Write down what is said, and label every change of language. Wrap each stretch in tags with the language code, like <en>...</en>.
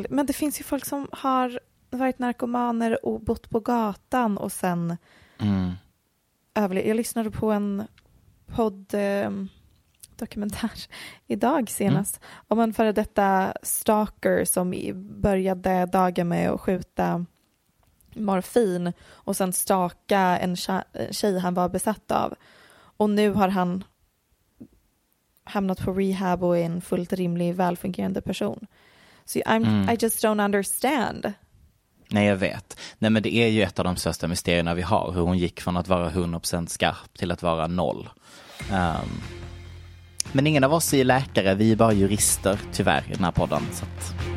<sv>Men det finns ju folk som har varit narkomaner och bott på gatan och sen överlevt. Jag lyssnade på en podd dokumentär idag senast om en före detta stalker som började dagen med att skjuta morfin och sen staka en tjej han var besatt av. Och nu har han hamnat på rehab och är en fullt rimlig, välfungerande person. Så</sv> <en>I just don't understand.</en> <sv>Nej, jag vet. Nej, men det är ju ett av de största mysterierna vi har. Hur hon gick från att vara 100% skarp till att vara noll. Men ingen av oss är läkare. Vi är bara jurister, tyvärr, i den här podden. Så att...</sv>